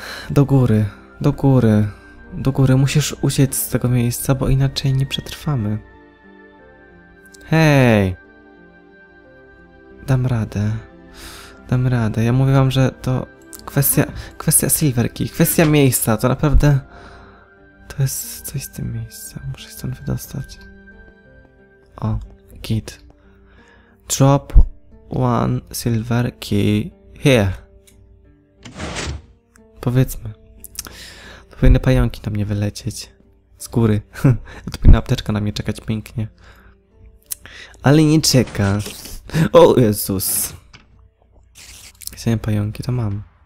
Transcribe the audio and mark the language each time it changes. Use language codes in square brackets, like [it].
[pl] Do góry. Do góry. Do góry. Musisz uciec z tego miejsca, bo inaczej nie przetrwamy. Hej! Dam radę. Dam radę. Ja mówię wam, że to kwestia silverki, kwestia miejsca. To naprawdę... To jest coś z tym miejscem. Muszę się stąd wydostać. O, git. [en] Drop one silver key here. [pl] Powiedzmy. To powinny pająki na mnie wylecieć. Z góry. To powinna apteczka na mnie czekać pięknie. Ale nie czeka. O Jezus. Chciałem pająki, to mam.